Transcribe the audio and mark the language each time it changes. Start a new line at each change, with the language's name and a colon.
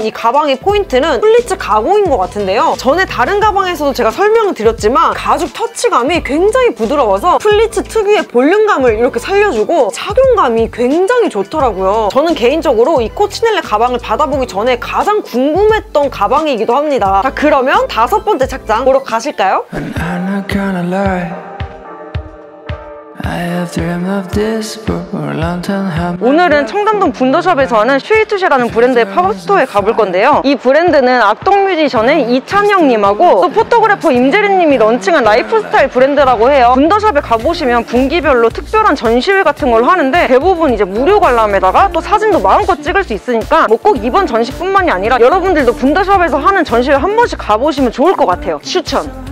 Korean: 이 가방의 포인트는 플리츠 가공인 것 같은데요. 전에 다른 가방에서도 제가 설명을 드렸지만 가죽 터치감이 굉장히 부드러워서 플리츠 특유의 볼륨감을 이렇게 살려주고 착용감이 굉장히 좋더라고요. 저는 개인적으로 이 코치넬레 가방을 받아보기 전에 가장 궁금했던 가방이기도 합니다. 자, 그러면 다섯 번째 착장 보러 가실까요?
English: And I'm not gonna lie. I have dreamed of this for a long time.
Korean: 오늘은 청담동 분더샵에서 하는 슈이투시라는 브랜드의 팝업스토어에 가볼 건데요. 이 브랜드는 악동뮤지션의 이찬영님하고 또 포토그래퍼 임재린님이 런칭한 라이프스타일 브랜드라고 해요. 분더샵에 가보시면 분기별로 특별한 전시회 같은 걸 하는데 대부분 이제 무료 관람에다가 또 사진도 마음껏 찍을 수 있으니까 뭐 꼭 이번 전시뿐만이 아니라 여러분들도 분더샵에서 하는 전시회 한 번씩 가보시면 좋을 것 같아요. 추천!